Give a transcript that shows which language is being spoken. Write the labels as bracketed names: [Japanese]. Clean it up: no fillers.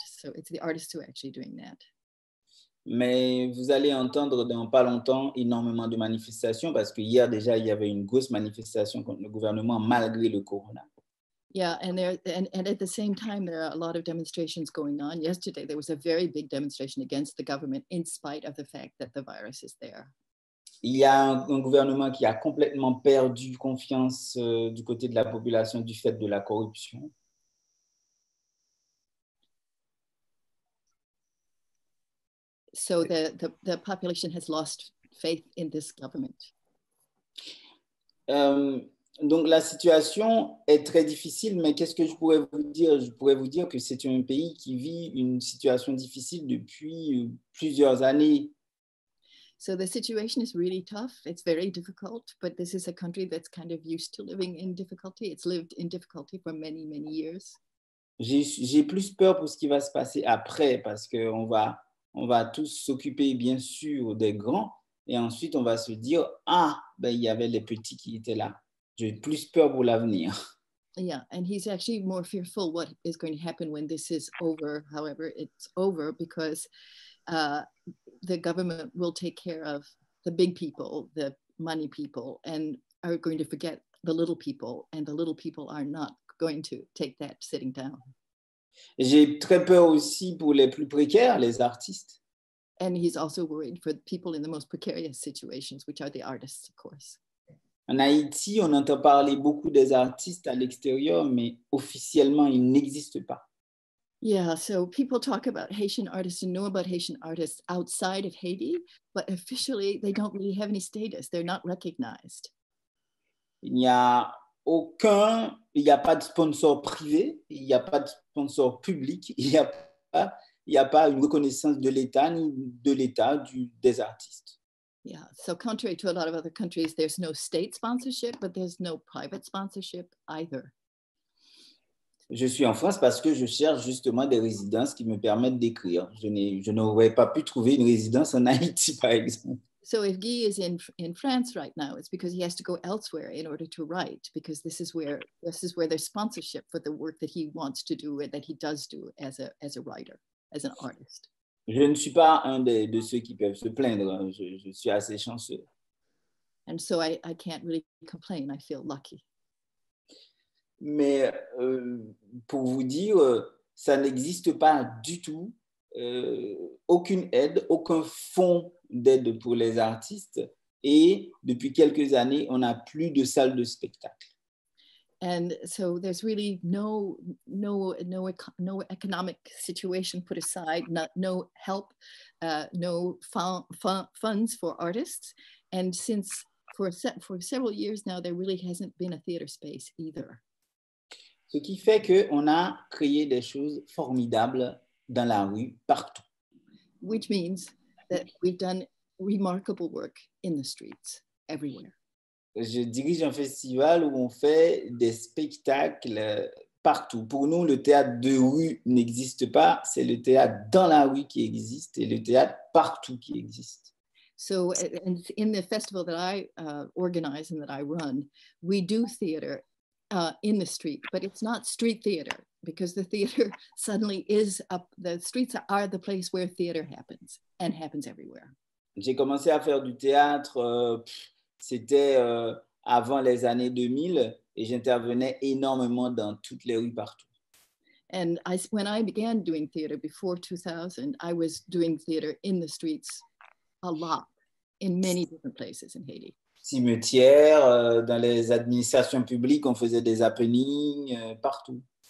[English] So it's the artists who are actually doing that. [French] Mais vous allez entendre dans pas longtemps énormément de manifestations parce que hier déjà il y avait une grosse manifestation contre le gouvernement malgré le corona. [English] Yeah, and at the same time there are a lot of demonstrations going on. Yesterday there was a very big demonstration against the government in spite of the fact that the virus is there. [French] Il y a un gouvernement qui a complètement perdu confiance du côté de la population du fait de la corruption. [English] So the population has lost faith in this government. [French] Donc la situation est très difficile, mais qu'est-ce que je pourrais vous dire? Je pourrais vous dire que c'est un pays qui vit une situation difficile depuis plusieurs années. [English] So the situation is really tough. It's very difficult, but this is a country that's kind of used to living in difficulty. It's lived in difficulty for many, many years. [French] J'ai plus peur pour ce qui va se passer après parce que on va tous s'occuper, bien sûr, des grands. Et ensuite, on va se dire, ah, ben, il y avait les petits qui étaient là. J'ai plus peur pour l'avenir. [English] Yeah, and he's actually more fearful what is going to happen when this is over, however it's over, because the government will take care of the big people, the money people, and are going to forget the little people, and the little people are not going to take that sitting down. [French] J'ai très peur aussi pour les plus précaires, les artistes. [English] And he's also worried for people in the most precarious situations, which are the artists, of course. [French] En Haïti, on entend parler beaucoup des artistes à l'extérieur, mais officiellement, ils n'existent pas. [English] Yeah, so people talk about Haitian artists and know about Haitian artists outside of Haiti, but officially, they don't really have any status. They're not recognized. [French] Il n'y a aucun, il n'y a pas de sponsor privé, il n'y a pas de sponsor public, il n'y a pas une reconnaissance de l'État ni de l'État des artistes. [English] Yeah, so contrary to a lot of other countries, there's no state sponsorship, but there's no private sponsorship either. [French] Je suis en France parce que je cherche justement des résidences qui me permettent d'écrire. Je n'aurais pas pu trouver une résidence en Haïti, par exemple. [English] So if Guy is in France right now, it's because he has to go elsewhere in order to write, because this is where there's sponsorship for the work that he wants to do and that he does do as a writer, as an artist. [French] Je ne suis pas un de ceux qui peuvent se plaindre. Je suis assez chanceux. [English] And so I can't really complain. I feel lucky. [French] Mais pour vous dire, ça n'existe pas du tout, aucune aide, aucun fonds d'aide pour les artistes. Et depuis quelques années, on n'a plus de salle de spectacle. [English] And so there's really no economic situation put aside, no help, no funds for artists. And since for several years now, there really hasn't been a theater space either. [French] Ce qui fait qu'on a créé des choses formidables dans la rue, partout. [English] Which means that we've done remarkable work in the streets, everywhere. [French] Je dirige un festival où on fait des spectacles partout. Pour nous, le théâtre de rue n'existe pas. C'est le théâtre dans la rue qui existe et le théâtre partout qui existe. [English] So and in the festival that I organize and that I run, we do theater in the street, but it's not street theater because the theater suddenly is up. The streets are the place where theater happens and happens everywhere. [French] J'ai commencé à faire du théâtre, c'était avant les années 2000 et j'intervenais énormément dans toutes les rues partout. [English] And when I began doing theater before 2000, I was doing theater in the streets a lot, in many different places in Haiti. [French] Cimetières, dans les administrations publiques, on faisait des happenings partout.